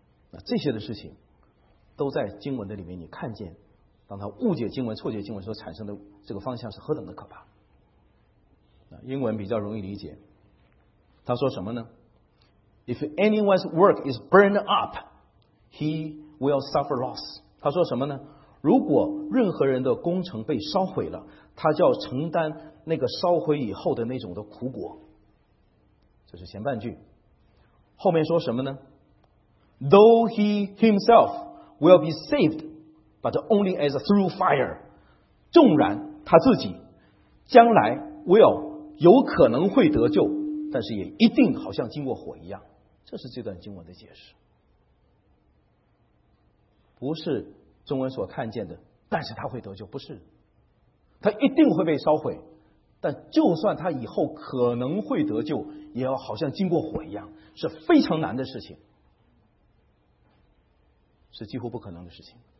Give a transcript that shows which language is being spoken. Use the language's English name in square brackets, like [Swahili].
[Chinese] 那这些的事情都在经文的里面，你看见当他误解经文、错解经文所产生的这个方向是何等的可怕。英文比较容易理解，他说什么呢？ [English] If anyone's work is burned up, he will suffer loss. [Chinese] 他说什么呢？如果任何人的工程被烧毁了，他就要承担那个烧毁以后的那种的苦果。这是前半句。后面说什么呢？ [English] Though he himself will be saved, but only as through fire. [Chinese] 纵然他自己将来 will有可能会得救，但是也一定好像经过火一样。这是这段经文的解释，不是中文所看见的但是他会得救，不是，他一定会被烧毁，但就算他以后可能会得救，也要好像经过火一样，是非常难的事情，是几乎不可能的事情。